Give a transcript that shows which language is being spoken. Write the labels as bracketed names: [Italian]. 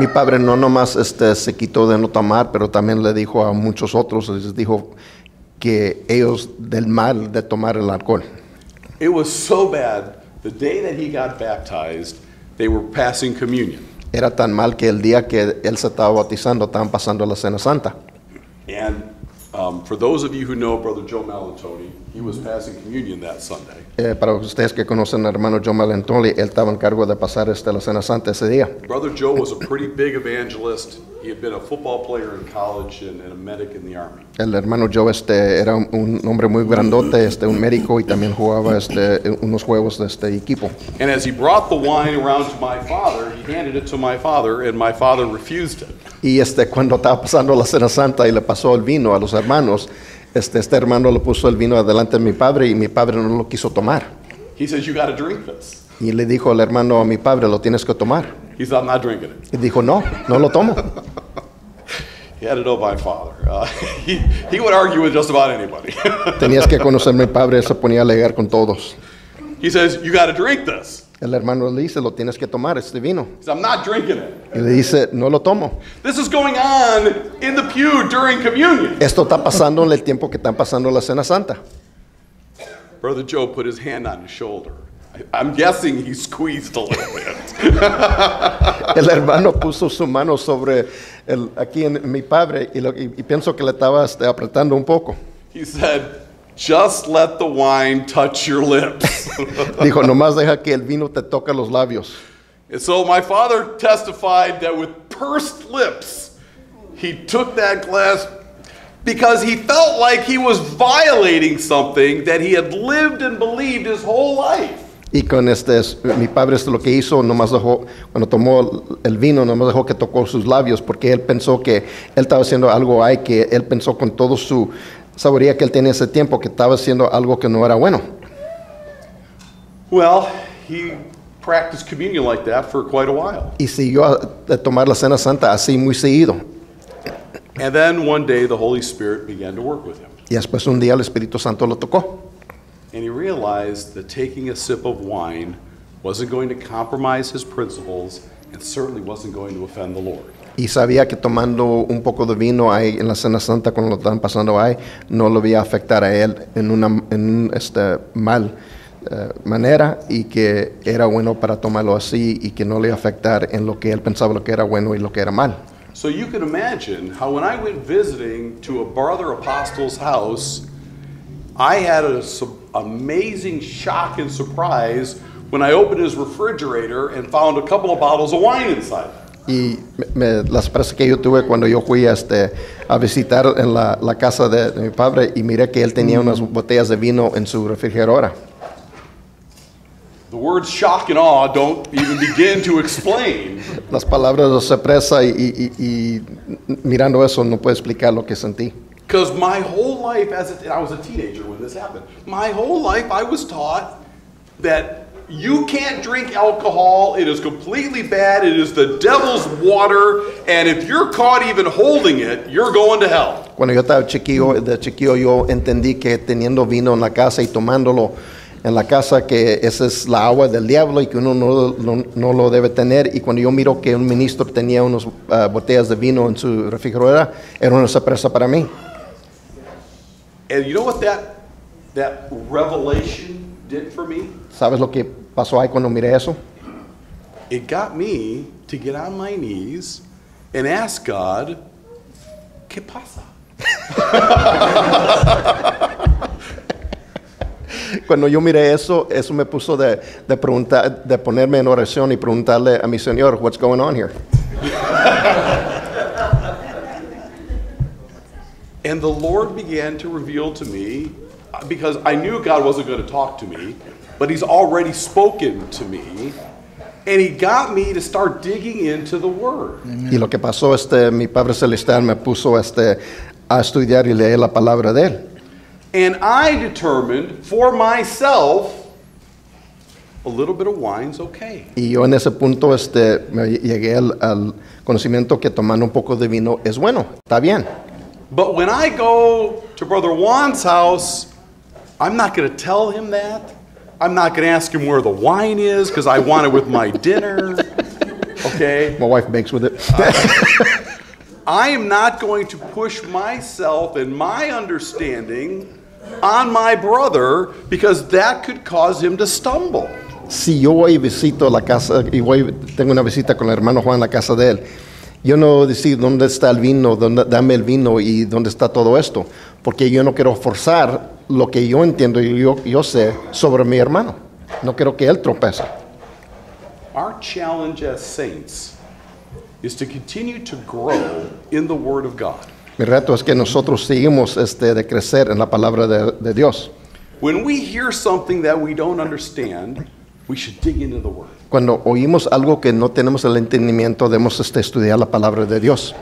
[Spanish] Mi padre no nomás se quitó de no tomar, pero también le dijo a muchos otros, les dijo que ellos del mal de tomar el alcohol. [English] It was so bad, the day that he got baptized, they were passing communion. [Spanish] Era tan mal que el día que él se estaba bautizando, estaban pasando la Cena Santa. [English] And for those of you who know Brother Joe Malatoni, he was passing communion that Sunday. [Spanish] Para ustedes que conocen al hermano Joe Malatoni, él estaba en cargo de pasar la Cena Santa ese día. [English] Brother Joe was a pretty big evangelist. He had been a football player in college and a medic in the army. [Spanish] El hermano Joe era un hombre muy grandote, un médico y también jugaba unos juegos de equipo. [English] And as he brought the wine around to my father, he handed it to my father, and my father refused it. [Spanish] Y cuando estaba pasando la Cena Santa y le pasó el vino a los hermanos, este hermano le puso el vino adelante a mi padre y mi padre no lo quiso tomar. [English] He says, you gotta drink this. [Spanish] Y le dijo el hermano a mi padre, lo tienes que tomar. [English] He said, I'm not drinking it. [Spanish] Y dijo, no, no lo tomo. [English] He had to know my father. He would argue with just about anybody. [Spanish] Tenías que conocer mi padre, se ponía a alegar con todos. [English] He says, you gotta drink this. [Spanish] El hermano le dice, lo tienes que tomar, este vino. [English] He says, I'm not drinking it. [Spanish] Y le dice, no lo tomo. [English] This is going on in the pew during communion. [Spanish] Esto está pasando en el tiempo que están pasando la Cena Santa. [English] Brother Joe put his hand on his shoulder. I'm guessing he squeezed a little bit. [Spanish] El hermano puso su mano sobre aquí en mi padre y pienso que le estaba apretando un poco. [English] He said, just let the wine touch your lips. [Spanish] Dijo, nomás deja que el vino te toque los labios. [English] And so my father testified that with pursed lips, he took that glass because he felt like he was violating something that he had lived and believed his whole life. [Spanish] Y con este, mi padre esto lo que hizo, nomás dejó, cuando tomó el vino, nomás dejó que tocó sus labios, porque él pensó que él estaba haciendo algo ahí, que él pensó con todo su sabiduría que él tenía ese tiempo, que estaba haciendo algo que no era bueno. [English] Well, he practiced communion like that for quite a while. [Spanish] Y siguió a tomar la Cena Santa así muy seguido. [English] And then one day the Holy Spirit began to work with him. [Spanish] Y después un día el Espíritu Santo lo tocó. [English] And he realized that taking a sip of wine wasn't going to compromise his principles and certainly wasn't going to offend the Lord. [Spanish] Y sabía que tomando un poco de vino ahí en la Cena Santa cuando lo estaban pasando ahí no lo iba a afectar a él en una mal manera y que era bueno para tomarlo así y que no le iba a afectar en lo que él pensaba lo que era bueno y lo que era mal. [English] So you can imagine how when I went visiting to a brother apostle's house, I had an amazing shock and surprise when I opened his refrigerator and found a couple of bottles of wine inside. [Spanish] Y la sorpresa que yo tuve cuando yo fui a visitar en la casa de mi padre y miré que él tenía unas botellas de vino en su refrigeradora. [English] The words shock and awe don't even begin to explain. [Spanish] Las palabras de sorpresa y mirando eso no puedo explicar lo que sentí. [English] Because my whole life, and I was a teenager when this happened, my whole life I was taught that you can't drink alcohol, it is completely bad, it is the devil's water, and if you're caught even holding it, you're going to hell. [Spanish] Cuando yo estaba chiquillo, yo entendí que teniendo vino en la casa y tomándolo en la casa, que esa es la agua del diablo y que uno no lo debe tener. Y cuando yo miro que un ministro tenía unas botellas de vino en su refrigeradora, era una sorpresa para mí. [English] And you know what that revelation did for me? [Spanish] ¿Sabes lo que pasó ahí cuando miré eso? [English] It got me to get on my knees and ask God, [Spanish] ¿qué pasa? Cuando yo miré eso, eso me puso de preguntar, de ponerme en oración y preguntarle a mi Señor, [English] what's going on here? And the Lord began to reveal to me, because I knew God wasn't going to talk to me, but he's already spoken to me, and he got me to start digging into the Word. [Spanish] Y lo que pasó, mi Padre Celestial me puso a estudiar y leer la palabra de él. [English] And I determined for myself, a little bit of wine's okay. [Spanish] Y yo en ese punto me llegué al conocimiento que tomando un poco de vino es bueno, está bien. [English] But when I go to Brother Juan's house, I'm not going to tell him that. I'm not going to ask him where the wine is because I want it with my dinner. Okay? My wife makes with it. I am not going to push myself and my understanding on my brother because that could cause him to stumble. [Spanish] Si yo voy y visito la casa, y voy, tengo una visita con el hermano Juan en la casa de él, yo no decir dónde está el vino, dónde, dame el vino y dónde está todo esto, porque yo no quiero forzar lo que yo entiendo y yo sé sobre mi hermano. No quiero que él tropece. [English] Our challenge as saints is to continue to grow in the Word of God. [Spanish] Mi reto es que nosotros seguimos de crecer en la palabra de Dios. [English] When we hear something that we don't understand, we should dig into the Word. [Spanish] Cuando oímos algo que no tenemos el entendimiento, debemos estudiar la palabra de Dios.